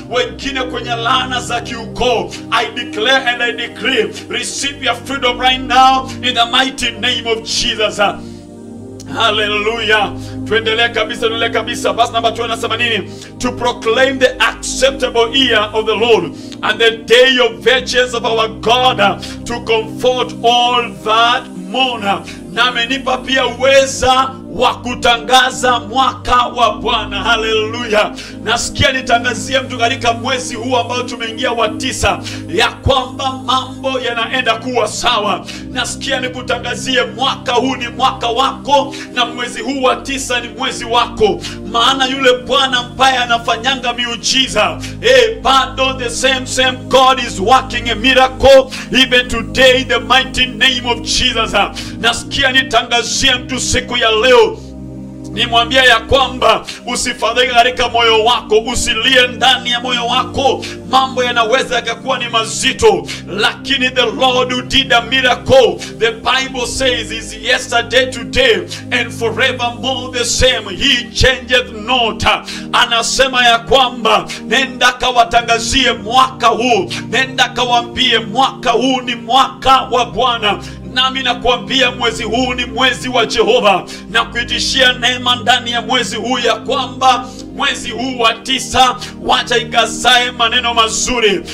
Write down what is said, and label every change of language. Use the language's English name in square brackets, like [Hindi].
[Swahili] Wengine kwenye laana za kiukoo, [English] I declare and I decree, receive your freedom right now in the mighty name of Jesus. [Swahili] Hallelujah. Tuendelea kabisa, tuendelea kabisa. [English] Verse number 280. To proclaim the acceptable year of the Lord and the day of vengeance of our God, to comfort all that mourn. [Swahili] Na amenipa pia uweza wa kutangaza mwaka wa Bwana. Hallelujah. Nasikia nitangazie mtu katika mwezi huu ambao tumeingia wa tisa, ya kwamba mambo yanaenda kuwa sawa. Nasikia nikutangazie mwaka huu ni mwaka wako, na mwezi huu wa tisa ni mwezi wako, maana yule Bwana ambaye anafanyanga miujiza, bado [English] the same God is working a miracle even today, the mighty name of Jesus. [Swahili] Nasikia nitangazie mtu siku ya leo, nimwambia ya kwamba usifadhaike katika moyo wako, usilie ndani ya moyo wako. Mambo yanaweza yakakuwa ni mazito, lakini [English] the Lord who did a miracle, the Bible says, is yesterday, today and forevermore the same. He changeth not. [Swahili] Anasema ya kwamba nenda kawatangazie mwaka huu, nenda kawaambie mwaka huu ni mwaka wa Bwana. Nami nakuambia mwezi huu ni mwezi wa Jehova, na kuitishia neema ndani ya mwezi huu ya kwamba mwezi huu wa tisa, wacha ikazae maneno mazuri.